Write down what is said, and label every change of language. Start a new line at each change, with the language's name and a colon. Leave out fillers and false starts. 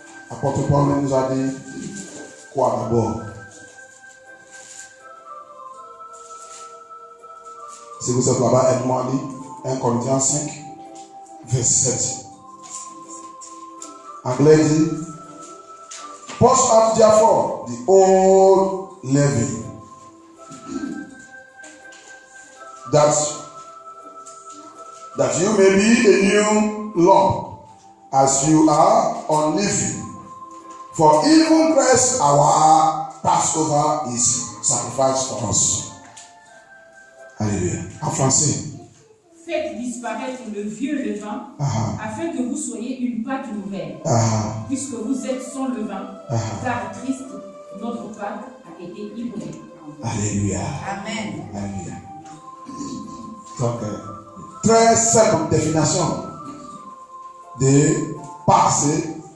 French: Apôtre Paul nous a dit quoi d'abord? Si vous êtes là-bas, aide-moi à lire 1 Corinthiens 5, verset 7. Anglais dit:
English: Post up therefore the old leaven, that you may be a new lump, as you are unleavened. For even Christ, our Passover, is sacrificed for us.
French: Alléluia. En français. Faites disparaître le vieux levain, afin que vous soyez une pâte nouvelle. Puisque vous êtes sans levain, car Christ, notre Pâque, a été immolé. Alléluia. Amen. Alléluia. Donc, très simple définition de Pâque.